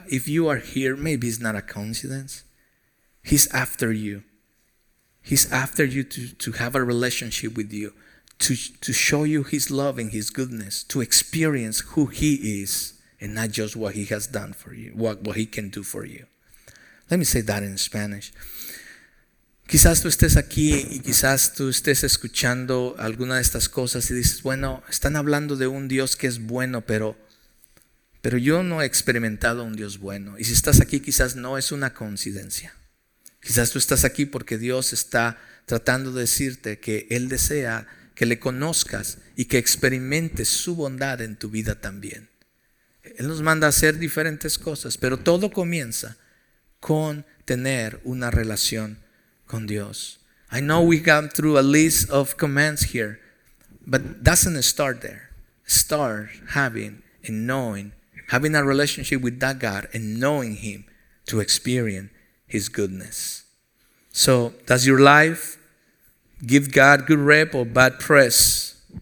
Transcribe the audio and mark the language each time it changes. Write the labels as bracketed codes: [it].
[en] If you are here, maybe it's not a coincidence. He's after you. He's after you to have a relationship with you, to show you his love and his goodness, to experience who he is and not just what he has done for you, what he can do for you. Let me say that in Spanish. [es] Quizás tú estés aquí y quizás tú estés escuchando alguna de estas cosas y dices, bueno, están hablando de un Dios que es bueno, pero yo no he experimentado un Dios bueno. Y si estás aquí, quizás no es una coincidencia. Quizás tú estás aquí porque Dios está tratando de decirte que Él desea que le conozcas y que experimentes su bondad en tu vida también. Él nos manda a hacer diferentes cosas, pero todo comienza con tener una relación con Dios. [en] I know we got through a list of commands here, but doesn't start there. Start having and knowing, having a relationship with that God and knowing him to experience his goodness. So does your life give God good rep or bad press?